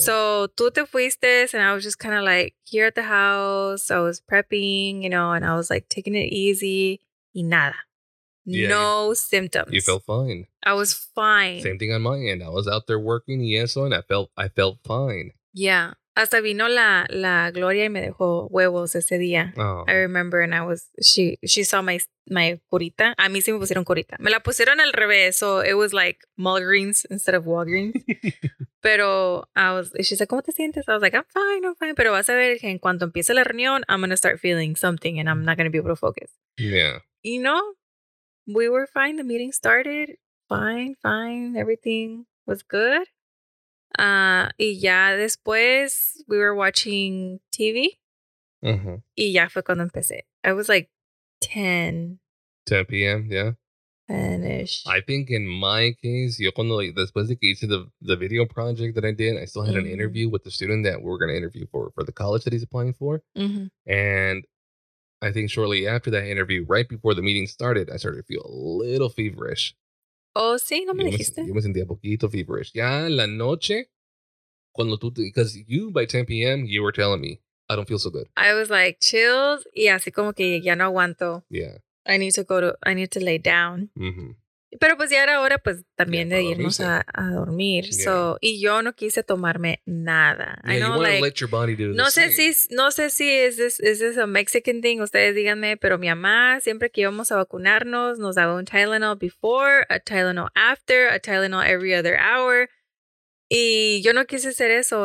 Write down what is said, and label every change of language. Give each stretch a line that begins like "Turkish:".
English: So
Spanish: tú te fuiste,
English: and I was just kind of like here at the house. I was prepping, you know, and I was like taking it easy.
Spanish: Y nada.
English: Yeah, no symptoms. You felt fine. I was fine. Same thing on my end. I was out there working
Spanish: y eso,
English: and I felt fine. Yeah.
Spanish: Hasta vino la Gloria y me dejó huevos ese día. Oh.
English: I remember, and I was, she saw my curita.
Spanish: A mí sí me pusieron curita. Me la pusieron al revés,
English: so it was like Walgreens instead of Walgreens.
Spanish: Pero
English: she's like,
Spanish: ¿cómo te sientes?
English: I was like, I'm fine.
Spanish: Pero vas a ver que en cuanto empiece la reunión,
English: I'm going to start feeling something, and I'm not going to be able to focus. Yeah.
Spanish: Y no,
English: we were fine. The meeting started. Fine. Everything was good.
Spanish: Y ya después,
English: we were watching TV,
Spanish: y ya fue cuando empecé.
English: I was like 10 p.m., yeah. 10-ish. I think in my case,
Spanish: yo cuando,
English: like,
Spanish: después de que hice
English: the video project that I did, I still had an interview with the student that we're going to interview for the college that he's applying for. And I think shortly after that interview, right before the meeting started, I started to feel a little feverish.
Spanish: Oh, sí, no me dijiste. Yo me sentía poquito feverish. Ya en la noche, cuando tú,
English: because you, by 10 p.m., you were telling me, I don't feel so good. I was like, chills,
Spanish: y así como que ya no aguanto.
English: Yeah. I need to lay down.
Spanish: Pero pues ya era hora, pues, también de irnos a dormir.
English: Yeah. So,
Spanish: y yo no quise tomarme nada.
English: Yeah, I know, you want to, like, let your body do no the sé same. Is this a Mexican thing?
Spanish: Ustedes díganme, pero mi mamá, siempre que íbamos a vacunarnos, nos daba un Tylenol
English: before, a Tylenol after, a Tylenol every other hour.
Spanish: Y yo no quise hacer eso.